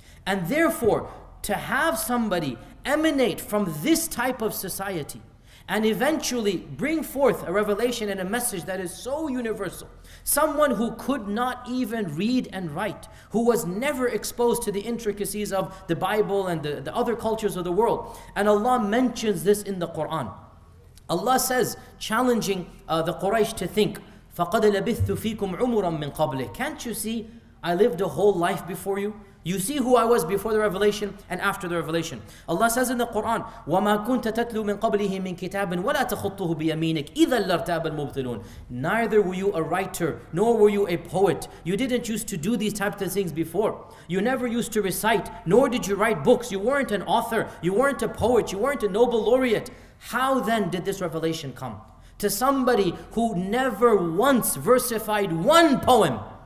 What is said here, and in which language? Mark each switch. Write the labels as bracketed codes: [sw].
[en] And therefore, to have somebody emanate from this type of society and eventually bring forth a revelation and a message that is so universal, someone who could not even read and write, who was never exposed to the intricacies of the Bible and the other cultures of the world. And Allah mentions this in the Quran. Allah says, challenging the Quraysh to think, [ar] فَقَدْ لَبِثْتُ فِيكُمْ عُمُرًا مِّن قَبْلِهِ. [en] Can't you see I lived a whole life before you? You see who I was before the revelation and after the revelation. Allah says in the Quran, [ar] وَمَا كُنْتَ تَتْلُو مِنْ قَبْلِهِ مِنْ كِتَابٍ وَلَا تَخُطُّهُ بِيَمِينِكِ إِذًا لَرْتَابَ الْمُبْطِلُونَ. [en] Neither were you a writer, nor were you a poet. You didn't used to do these types of things before. You never used to recite, nor did you write books. You weren't an author, you weren't a poet, you weren't a Nobel laureate. How then did this revelation come? To somebody who never once versified one poem.